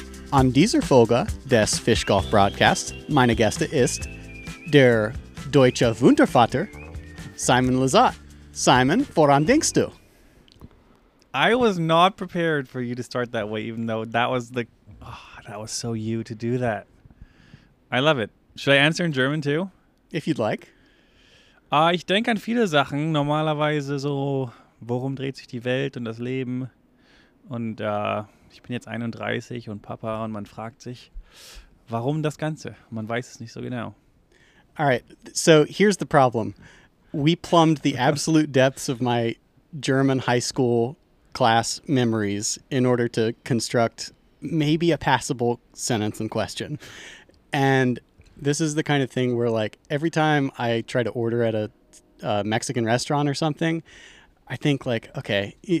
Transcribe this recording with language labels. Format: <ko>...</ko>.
<de>On dieser Folge des Fish Golf Broadcasts, meine Gäste ist der deutsche Wundervater, Simon Lizotte. Simon, woran denkst du?</de> <en>I was not prepared for you to start that way, even though that was the... Oh, that was so you to do that. I love it. Should I answer in German too? If you'd like.</en> <de>Ich denke an viele Sachen. Normalerweise so, worum dreht sich die Welt und das Leben? Und ich bin jetzt 31 und Papa und man fragt sich, warum das Ganze? Man weiß es nicht so genau.</de> <en>All right, so here's the problem. We plumbed the absolute depths of my German high school class memories in order to construct maybe a passable sentence in question. And this is the kind of thing where, like, every time I try to order at a Mexican restaurant or something, I think, like, okay...</en>